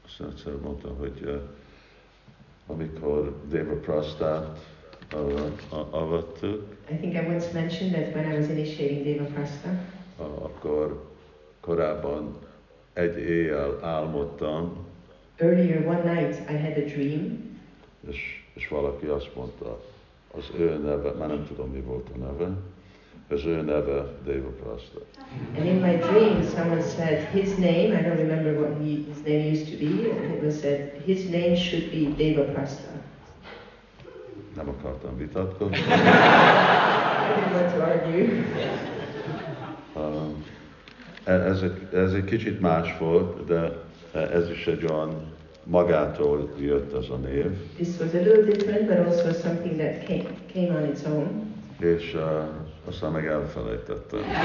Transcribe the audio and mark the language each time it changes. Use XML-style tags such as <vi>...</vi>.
<hu>Egyszer mondta, hogy amikor Devaprasthát avattuk.</hu> <en>I think I once mentioned that when I was initiating Devaprastha.</en> <hu>Akkor korábban egy éjjel álmodtam.</hu> <en>Earlier one night I had a dream.</en> <hu>És valaki azt mondta, az ő neve, már nem tudom mi volt a neve, az ő neve Devaprastha.</hu> <en>And in my dream, someone said his name. I don't remember what his name used to be. And it was said his name should be Devaprastha.</en> <hu>Nem akartam vitatkozni.</hu> <en>I didn't want to argue.</en> <hu>Ez egy kicsit más volt, de ez is egy olyan magától jött ez a név.</hu> <en>This was a little different, but also something that came on its own.</en> <hu>És aztán meg elfelejtettem.</hu>